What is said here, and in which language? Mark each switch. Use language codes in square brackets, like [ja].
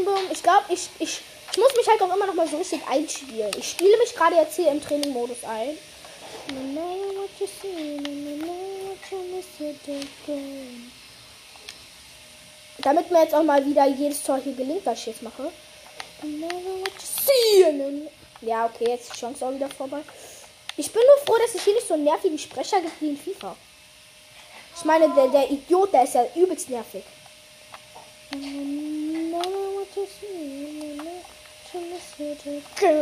[de] Ich glaube, ich muss mich halt auch immer noch mal so richtig einspielen. Ich spiele mich gerade jetzt hier im Trainingmodus ein. [en] And I never want to see, and I never want to miss it again. [de] Damit mir jetzt auch mal wieder jedes Tor hier gelingt, was ich jetzt mache. [en] And I never want to see, and [de] ja, okay, jetzt ist die Chance auch wieder vorbei. Ich bin nur froh, dass ich hier nicht so einen nervigen Sprecher gibt wie in FIFA. Ich meine, der Idiot, der ist ja übelst nervig. [en] And I never want to see, and I never want to miss it again.